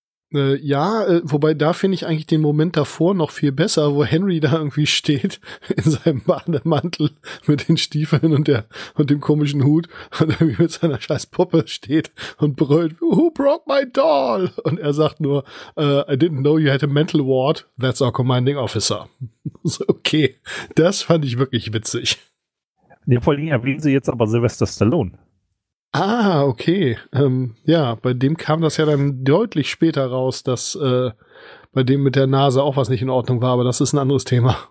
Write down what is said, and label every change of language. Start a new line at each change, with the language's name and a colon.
German: Ja, wobei da finde ich eigentlich den Moment davor noch viel besser, wo Henry da irgendwie steht in seinem Bademantel mit den Stiefeln und der und dem komischen Hut und irgendwie mit seiner scheiß Puppe steht und brüllt,
English: who broke my doll?
German: Und er sagt nur,
English: I didn't know you had a mental ward, that's our commanding officer.
German: So, okay, das fand ich wirklich witzig. Ja, vor allem erwähnen sie jetzt aber Sylvester Stallone. Ah, okay. Ja, bei dem kam das ja dann deutlich später raus, dass bei dem mit der Nase auch was nicht in Ordnung war, aber das ist ein anderes Thema.